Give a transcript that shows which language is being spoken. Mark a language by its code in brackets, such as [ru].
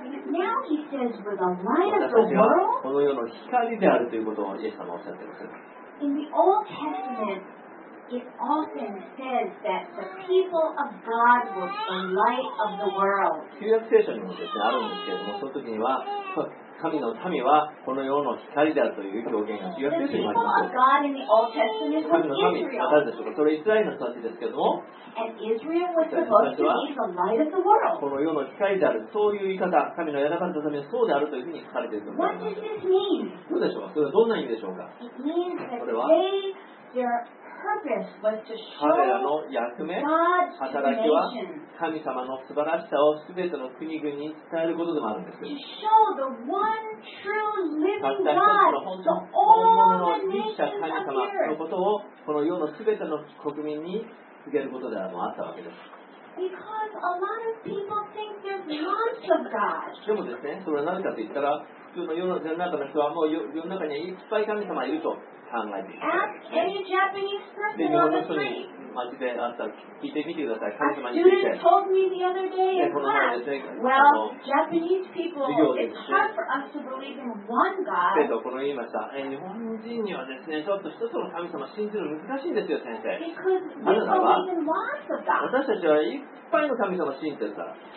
[en] Now he says, "We're the light of the world." [ja] この世の光であるということをイエス様はおっしゃっています。 [en] In the Old Testament, it often says that the people of God were the light of the world. [ja] 旧約聖書にもですね、あるんですけれども、その時には、神の民はこの世の光であるという表現が旧約聖書にもあります。 [en] The people of God in the Old Testament was Israel. [ja] 神の民、あ、誰でしょうか。それはイスラエルの人たちですけれども、 [en] And Israel was supposed to be the light of the world. [ja] この世の光である、そういう言い方、神の選ばれたためにそうであるというふうに書かれていると思います。 [en] What does this mean? [ja] どうでしょうか。それはどんな意味でしょうか。 [en] It means that their purpose was to show God's nations. [ja] 働きは神様の素晴らしさをすべての国々に伝えることでもあるんです。 [en] To show the one true living God, the all the nations of the earth. [ja] のことをこの世のすべての国民に告げることでもあったわけです。 [en] Because a lot of people think there's lots of God. [ja] でもですね、それはなぜかと言ったら、普通の世の中の人はもう世の中にはいっぱい神様がいると。 [en] Ask any Japanese person on the street. Students told me the other day in class, well, Japanese people, it's hard for us to believe in one God. [ja] 生徒この言いました。日本人にはですね、ちょっと一つの神様信じるの難しいんですよ、先生。 [en] Because we believe in lots of God. [ja] 私たちはいっぱいの神様信じてるから。